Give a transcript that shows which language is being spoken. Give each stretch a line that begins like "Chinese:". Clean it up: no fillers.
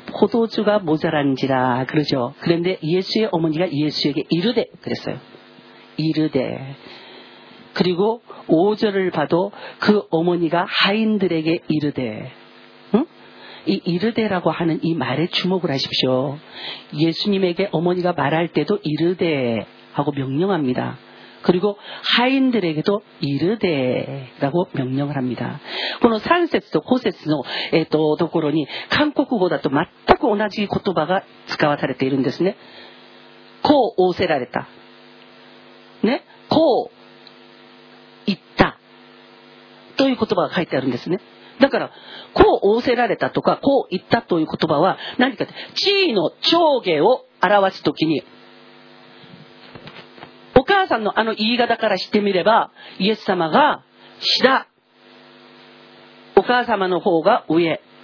Korean: 포도주가모자란지라그러죠。 그런데예수의어머니가예수에게이르되그랬어요。 이르되，그리고5절을봐도그어머니가하인들에게이르되，응？ 이이르되라고하는이말에주목을하십시오。 예수님에게어머니가말할때도이르되하고명령합니다。 그리고하인들에게도이르되라고명령을합니다。
Japanese: この3節と5節のところに韓国語だと全く同じ言葉が使わされているんですね。こう仰せられた。ね、こう言った。という言葉が書いてあるんですね。だから、こう仰せられたとか、こう言ったという言葉は何かって、地位の上下を表すときに、お母さんのあの言い方からしてみれば、イエス様が下、お母様の方が上。